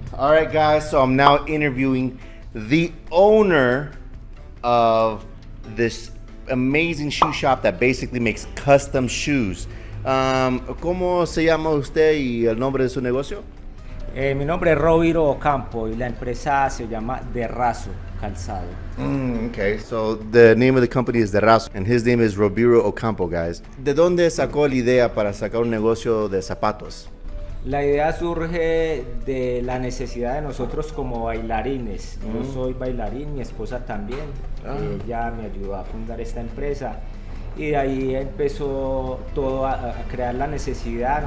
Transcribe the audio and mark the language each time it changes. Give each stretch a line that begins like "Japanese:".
English: right, guys, so I'm now interviewing the owner of this amazing shoe shop that basically makes custom shoes.
Spanish: ¿Cómo se llama usted y el nombre de su negocio? Mi nombre es Roviro Ocampo y la empresa se llama Derrazo Calzado.
English: Okay, so the name of the company is Derrazo and his name is Roviro Ocampo, guys.
Spanish: ¿De dónde sacó la idea para sacar un negocio de zapatos? La idea surge de la necesidad de nosotros como bailarines. Yo soy bailarín, mi esposa también. Ella me ayudó a fundar esta empresa. Y de ahí empezó todo a crear la necesidad.